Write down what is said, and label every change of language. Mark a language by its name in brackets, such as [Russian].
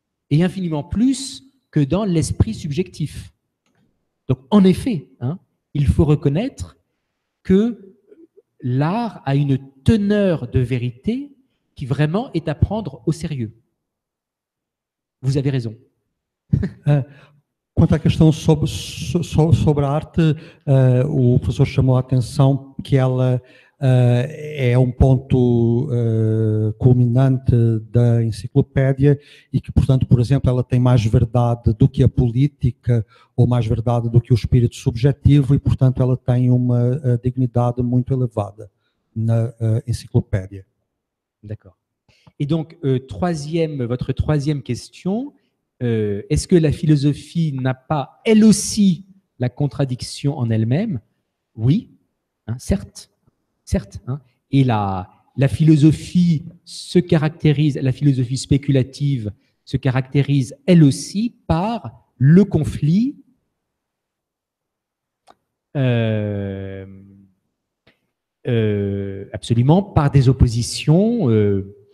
[French] Et infiniment plus que dans l'esprit subjectif. Donc, en effet, il faut reconnaître que l'art a une teneur de vérité qui vraiment est à prendre au sérieux. Vous avez raison. [Portuguese] Quanto à questão sobre a arte, o professor chamou a atenção que ela é ponto culminante da enciclopédia e que, portanto, por exemplo, ela tem mais verdade do que a política ou mais verdade do que o espírito subjetivo e, portanto, ela tem uma dignidade muito elevada na enciclopédia. [French] D'accord. Et donc, votre troisième question, est-ce que la philosophie n'a pas, elle aussi, la contradiction en elle-même? Oui, certes. Et la philosophie se caractérise, la philosophie spéculative se caractérise, elle aussi, par le conflit absolument, par des oppositions...